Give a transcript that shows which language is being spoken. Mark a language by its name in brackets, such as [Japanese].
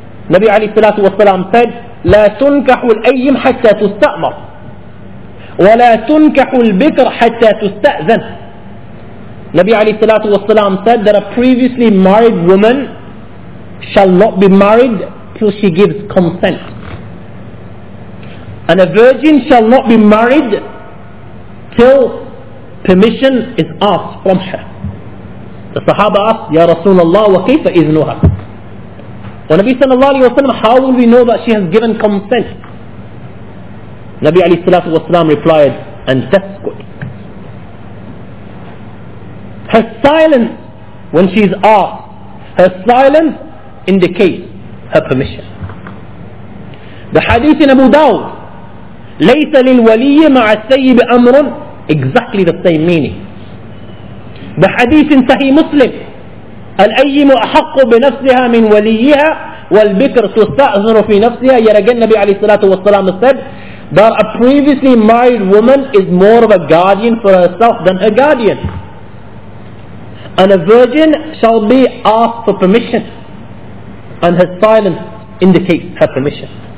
[English] Nabi alayhi salatu wasalam said, [Arabic] لا تنكح الأيم حتى تستأمر ولا تنكح البكر حتى تستأذن. [English] Nabi alayhi salatu wasalam said that a previously married woman shall not be married till she gives consent, and a virgin shall not be married till permission is asked from her. The Sahaba asked, [Arabic] Ya Rasulullah, wa kayfa idhnuha? [English] Wa Nabi sallallahu alayhi wa sallam, how will we know that she has given consent? Nabi alayhi salatu wasalam replied, and that's good. Her silence when she is asked, her silence indicates her permission. The hadith in Abu Dawud, [Arabic] ليس للولي مع السيب أمر, [English] exactly the same meaning. The hadith in Sahih Muslim, [Arabic] الأيم أحق بنفسها من وليها والبكر تستأذن في نفسها. [English] Yet again Nabi عليه الصلاة والسلام said that a previously married woman is more of a guardian for herself than a guardian, and a virgin shall be asked for permission, and her silence indicates her permission.